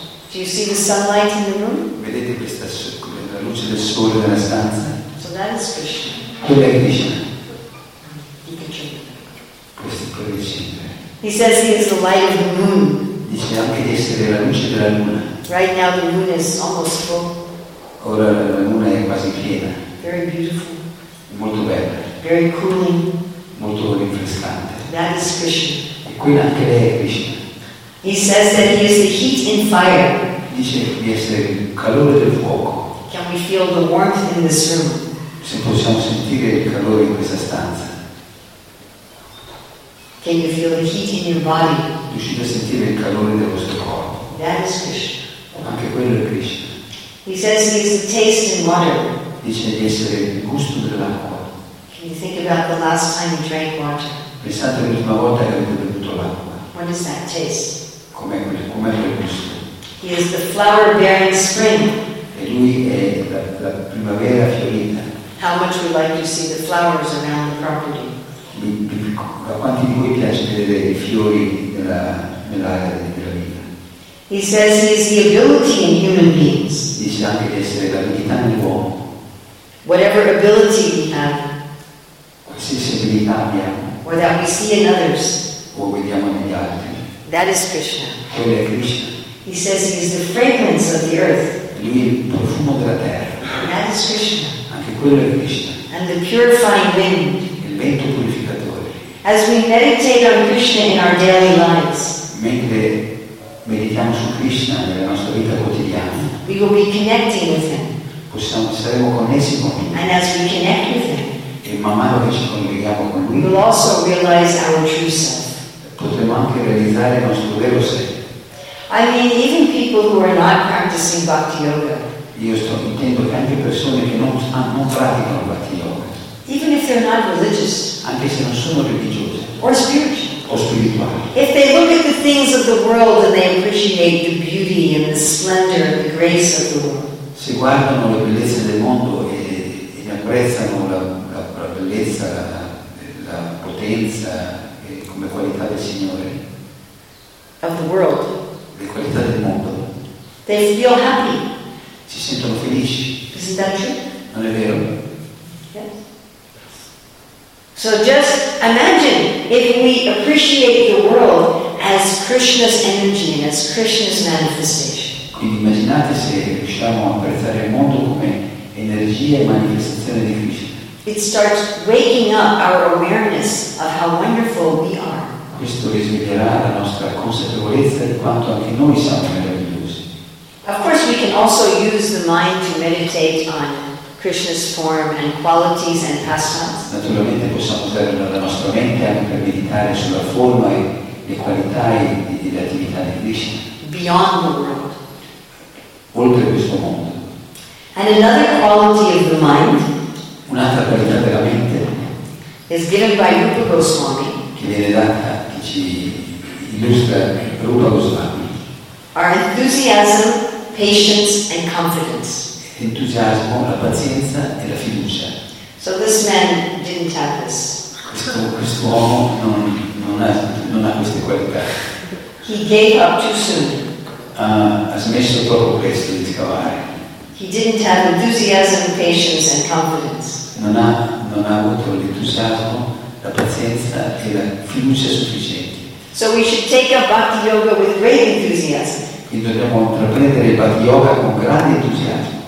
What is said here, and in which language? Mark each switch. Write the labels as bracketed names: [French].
[English] Do you see the sunlight in the room? [Italian] Vedete questa la luce del sole nella stanza? [English] So that is Krishna. [Italian] Quella è Krishna. Questo è quello di sempre. [English] He He says he is the light of the moon. [Italian] Dice anche di essere la luce della luna. [English] Right now the moon is almost full. [Italian] Ora la luna è quasi piena. [English] Very beautiful. [Italian] Molto bella. [English] Very cooling. [Italian] Molto rinfrescante. [English] That is Krishna. [Italian] E quella anche lei è Krishna. [English] He says that he is the heat in fire. [Italian] Dice di essere il calore del fuoco. [English] Can we feel the warmth in this room? [Italian] Se possiamo sentire il calore in questa stanza. [English] Can you feel the heat in your body? [Italian] Riuscite a sentire il calore del vostro corpo. [English] That is Krishna. [Italian] Anche quello è Krishna. [English] He says he is the taste in water. [Italian] Dice di essere il gusto dell'acqua. [English] Can you think about the last time you drank water? [Italian] Pensate l'ultima volta che avete bevuto l'acqua. [English] What does that taste? [Italian] Com'è il gusto? [English] He is the flower bearing spring. [Italian] E lui è la primavera fiorita. [English] How much we like to see the flowers around the property. [Italian] Da quanti di voi piace vedere i fiori nell'area della vita? [English] He says he is the ability in human beings. [Italian] Dice anche di essere l'abilità nell'uomo. [English] Whatever ability we have. [Italian] Qualsiasi abilità abbiamo. [English] Or that we see in others. [Italian] O vediamo negli altri. [English] That is Krishna. [Italian] Quello è Krishna. [English] He says he is the fragrance of the earth. [Italian] Lui è il profumo della terra. [English] That is Krishna. [Italian] Anche quello è Krishna. [English] And the purifying wind. [Italian] Il vento purificatore. [English] As we meditate on Krishna in our daily lives. [Italian] Mentre meditiamo su Krishna nella nostra vita quotidiana. [English] We will be connecting with him. [Italian] Saremo connessi con lui. [English] And as we connect with him. [Italian] E man mano che ci colleghiamo con lui. [English] We will also realize our true self. [Italian] Potremo anche realizzare il nostro vero sé. [English] I mean, even people who are not practicing Bhakti Yoga. [Italian] Io sto intendo che anche persone che non praticano Bhakti Yoga. [English] Even if they're not religious. [Italian] Anche se non sono religiose. [English] Or spiritual. [Italian] O spirituali. [English] If they look at the things of the world and they appreciate the beauty and the splendor and the grace of the world. [Italian] Se guardano le bellezze del mondo e apprezzano la bellezza, la potenza e come qualità del Signore. [English] Of the world. [Italian] Le qualità del mondo. [English] They feel happy. [Italian] Si sentono felici. [English] Isn't that true? [Italian] Non è vero? [English] Yes. So just imagine if we appreciate the world as Krishna's energy and as Krishna's manifestation. [Italian] Quindi immaginate se riusciamo a apprezzare il mondo come energia e manifestazione di Krishna. [English] It starts waking up our awareness of how wonderful we are. [Italian] Questo risveglierà la nostra consapevolezza di quanto anche noi siamo meravigliosi. [English] Of course we can also use the mind to meditate on Krishna's form and qualities and pastimes. [Italian] Naturalmente possiamo usare la nostra mente anche per meditare sulla forma e le qualità e le attività di Krishna. [English] Beyond the world. [Italian] Oltre questo mondo. [English] And another quality of the mind. [Italian] Un'altra qualità della mente. [English] Is given by Rupa Goswami. [Italian] Che viene data, che ci illustra Rupa Goswami. [English] Our enthusiasm, patience and confidence. [Italian] Entusiasmo, la pazienza e la fiducia. [English] So this man didn't have this. [Italian] Questo uomo non ha queste qualità. [English] He gave up too soon. [Italian] Ha smesso proprio questo di scavare. [English] He didn't have enthusiasm, patience and confidence. [Italian] Non ha avuto l'entusiasmo, la pazienza e la fiducia sufficienti. [English] So we should take up Bhakti Yoga with great enthusiasm. [Italian] Quindi dobbiamo intraprendere il Bhakti Yoga con grande entusiasmo.